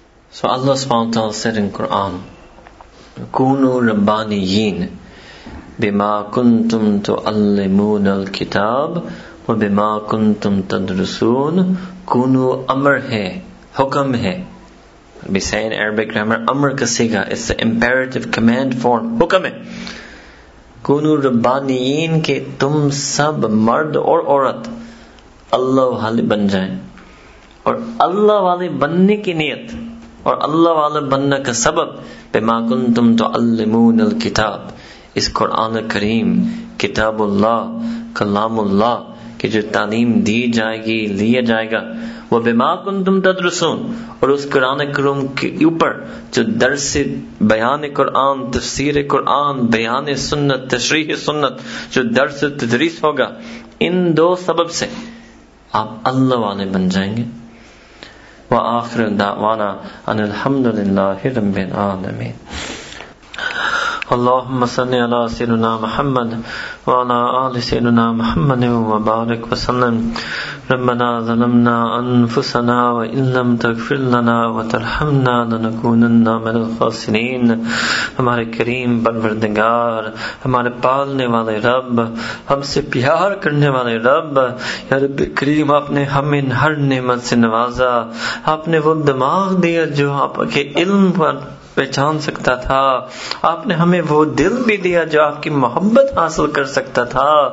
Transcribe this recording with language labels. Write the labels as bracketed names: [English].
[English] So Allah subhanahu wa ta'ala said in Quran, [Arabic] كُونُوا رَبَّانِيِّينَ بِمَا كُنْتُمْ تُعَلِّمُونَ الْكِتَابِ وَبِمَا كُنْتُمْ تَدْرُسُونَ. [Urdu] كُونُوا أَمْر ہے, حُکم ہے. [English] I'll be saying Arabic grammar, أَمْر كَسِيْغَ, it's the imperative command form, [Urdu] حُکم ہے. [Arabic] كُونُوا رَبَّانِيِّينَ, [Urdu] کہ تم سب مرد اور عورت اللہ والے بن جائیں, اور اللہ والے بننے کی نیت, اور اللہ والے بننے کا سبب, [Arabic] بِمَا كُنْتُمْ تُعَلِّمُونَ الْكِتَابِ, [Urdu] اس قرآن کریم, کتاب اللہ, کلام اللہ کی جو تعلیم دی جائے گی, لیا جائے گا. [Arabic] وَبِمَا كُنْتُمْ تَدْرُسُونَ, [Urdu] اور اس قرآن کریم کے اوپر جو درس بیان قرآن, تفسیر قرآن, بیان سنت, تشریح سنت, جو درس تدریس ہوگا, ان دو سبب سے آپ اللہ والے بن جائیں گے. [Arabic] وآخر دعوانا ان الحمد للہ رب العالمین. اللهم صل على سيدنا محمد وعلى آل سيدنا محمد وبارك وسلم. ربنا ظلمنا أنفسنا وإن لم تغفر لنا وترحمنا لنكونن من الخاسرين. [Urdu] ہمارے کریم پروردگار, ہمارے پالنے والے رب, ہم سے پیار کرنے والے رب, یا رب کریم آپ نے ہمیں ہر نعمت سے نوازا, آپ نے وہ دماغ دیا جو آپ کے علم پر پہچان سکتا تھا, آپ نے ہمیں وہ دل بھی دیا جو آپ کی محبت حاصل کر سکتا تھا.